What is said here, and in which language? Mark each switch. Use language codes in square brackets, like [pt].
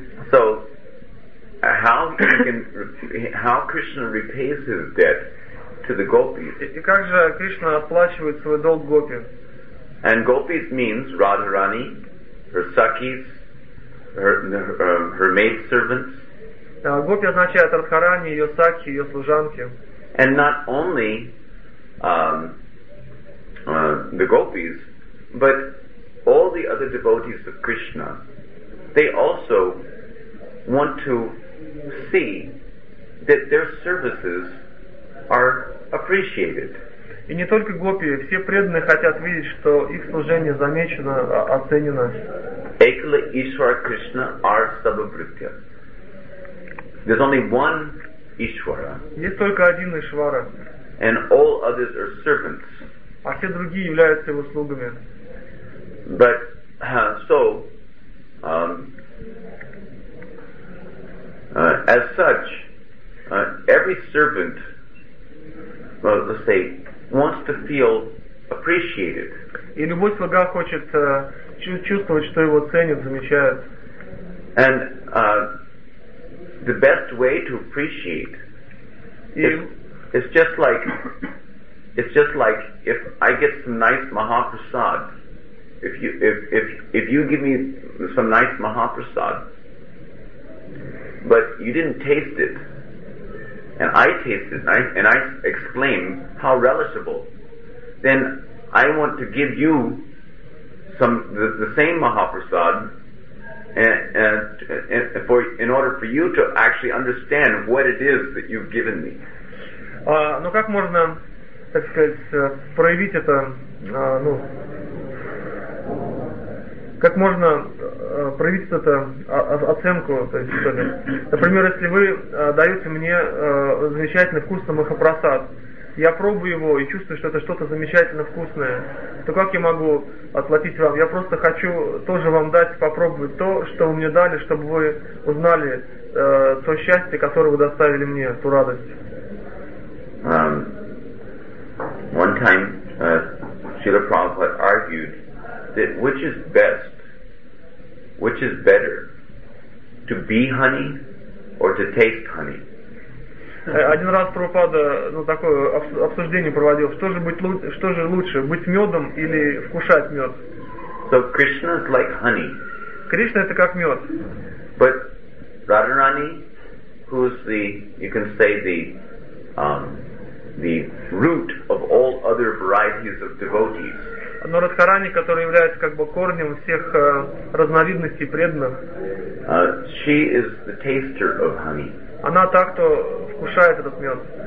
[en] So, how Krishna repays his debt to the gopis? [ru] И как же Кришна отплачивает свой долг гопи? [en] And gopis means Radharani, her sakis, her maid servants. [ru] Гопи означает Радхарани, ее сакхи, ее служанки. [en] And not only the gopis, but all the other devotees of Krishna, they also want to see that their services are appreciated. [ru] И не только гопи, все преданные хотят видеть, что их служение замечено, оценено. [bn] Экала Ишвара Кришна ар сабхавритья. [en] There's only one Ishvara. [ru] Есть только один Ишвара. [en] And all others are servants. [ru] А все другие являются его слугами. [en] But as such, every servant, well, let's say, wants to feel appreciated. [ru] И любой слуга хочет чувствовать, что его ценят, замечают. [en] And the best way to appreciate is just like if I get some nice Mahaprasad, if you give me some nice Mahaprasad, but you didn't taste it, and I taste it, and I exclaim how relishable, then I want to give you the same Mahaprasad. In order for you to actually understand what it is that you've given me. [ru] Но как можно, так сказать, проявить это, ну, как можно проявить это оценку, то есть, что ли? Например, если вы даете мне замечательный вкусный махапрасад, я пробую его и чувствую, что это что-то замечательно вкусное, то как я могу отплатить вам? Я просто хочу тоже вам дать попробовать то, что вы мне дали, чтобы вы узнали то счастье, которое вы доставили мне, ту радость. [en] One time Srila Prabhupada argued that which is best, which is better, to be honey or to taste honey? [ru] Один раз Прабхупада, ну, такое обсуждение проводил. Что же лучше, быть медом или вкушать мед? [en] So Krishna is like honey. [ru] Кришна — это как мед. [en] But Radharani, who's the, you can say, the the root of all other varieties of devotees. [ru] Но Радхарани, которая является как бы корнем всех разновидностей преданных. [en] She is the taster of honey. [ru] Она та, кто вкушает этот мед.